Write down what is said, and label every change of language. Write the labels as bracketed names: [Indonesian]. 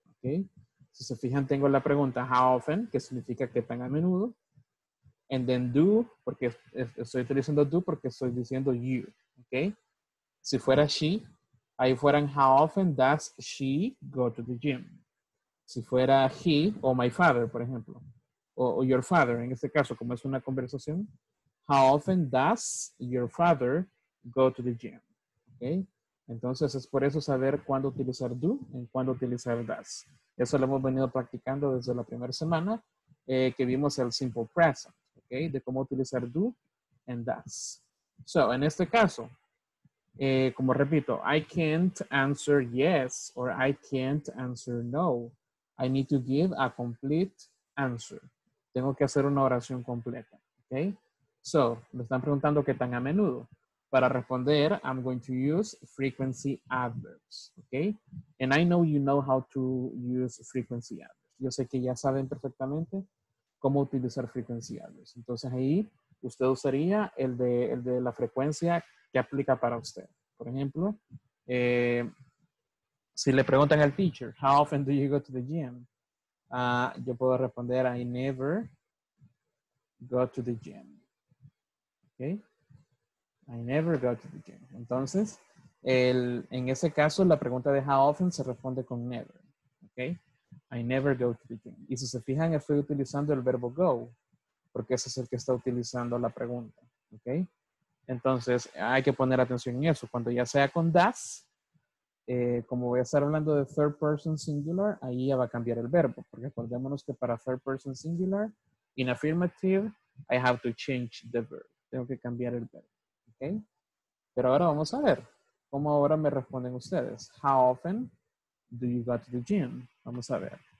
[Spanish] Okay. Si se fijan, tengo la pregunta how often, que significa que tan a menudo. [English] And then [Spanish] do, porque estoy utilizando do porque estoy diciendo you. Okay. Si fuera [English] she, [Spanish] ahí fueran [English] how often does she go to the gym? [Spanish] Si fuera he o my father, por ejemplo. O your father, en este caso, como es una conversación. [English] How often does your father go to the gym? Okay. [Spanish] Entonces, es por eso saber cuándo utilizar do y cuándo utilizar does. Eso lo hemos venido practicando desde la primera semana que vimos el simple present, okay, de cómo utilizar do and does. [English] So, [Spanish] en este caso, como repito, [English] I can't answer yes or I can't answer no. I need to give a complete answer. [Spanish] Tengo que hacer una oración completa, [English] okay? [Spanish] So, me están preguntando qué tan a menudo. Para responder, [English] I'm going to use frequency adverbs, okay? And I know you know how to use frequency adverbs. [Spanish] Yo sé que ya saben perfectamente cómo utilizar frequency adverbs. Entonces ahí, usted usaría el de la frecuencia que aplica para usted. Por ejemplo, si le preguntan al [English] teacher, how often do you go to the gym? [Spanish] Yo puedo responder, [English] I never go to the gym, okay? I never go to the gym. [Spanish] Entonces, en ese caso, la pregunta de how often se responde con never. Okay? [English] I never go to the gym. [Spanish] Y si se fijan, estoy utilizando el verbo go, porque ese es el que está utilizando la pregunta. Okay? Entonces, hay que poner atención en eso. Cuando ya sea con does, como voy a estar hablando de third person singular, ahí ya va a cambiar el verbo. Porque acordémonos que para [English] third person singular, in affirmative, I have to change the verb. [Spanish] Tengo que cambiar el verbo. [English] Okay. [Spanish] Pero ahora vamos a ver cómo ahora me responden ustedes. [English] How often do you go to the gym? [Spanish] Vamos a ver.